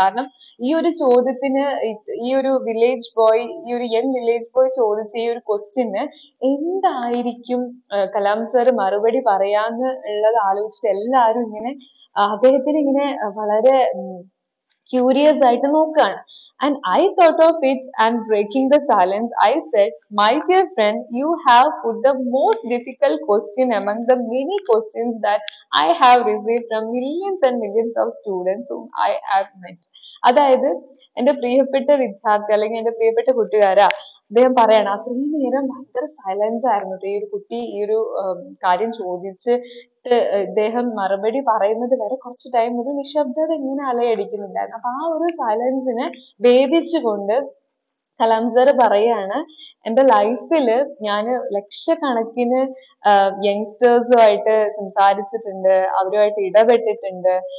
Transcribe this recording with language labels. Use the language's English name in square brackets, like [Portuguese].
[Malayalam] കാരണം ഈ ഒരു ചോദ്യത്തിന്, ഈ ഒരു വില്ലേജ് ബോയ്, ഈ ഒരു യങ് വില്ലേജ് ബോയ് ചോദിച്ച ഈ ഒരു ക്വസ്റ്റ്യന് എന്തായിരിക്കും കലാം സാർ മറുപടി പറയാന്ന് ഉള്ളത് ആലോചിച്ചിട്ട് എല്ലാവരും ഇങ്ങനെ അദ്ദേഹത്തിന് ഇങ്ങനെ വളരെ ക്യൂരിയസ് ആയിട്ട് നോക്കുകയാണ്. [English] And I thought of it and breaking the silence, I said, my dear friend, you have put the most difficult question among the many questions that I have received from millions and millions of students whom I have met. [Malayalam] അതായത് എന്റെ പ്രിയപ്പെട്ട വിദ്യാർത്ഥി അല്ലെങ്കിൽ എന്റെ പ്രിയപ്പെട്ട കൂട്ടുകാരാ, അദ്ദേഹം പറയണം അത്രയും നേരം ഭയങ്കര സൈലൻസ് ആയിരുന്നു ഈ ഒരു കുട്ടി. ഈ ഒരു കാര്യം ചോദിച്ച് ഇദ്ദേഹം മറുപടി പറയുന്നത് വരെ കുറച്ച് ടൈം ഒരു നിശബ്ദത ഇങ്ങനെ അലയടിക്കുന്നുണ്ടായിരുന്നു. അപ്പൊ ആ ഒരു സൈലൻസിനെ ഭേദിച്ചുകൊണ്ട് കലാം സാർ പറയാണ്, എന്റെ ലൈഫിൽ ഞാന് ലക്ഷക്കണക്കിന് യങ്സ്റ്റേഴ്സുമായിട്ട് സംസാരിച്ചിട്ടുണ്ട്, അവരുമായിട്ട് ഇടപെട്ടിട്ടുണ്ട്.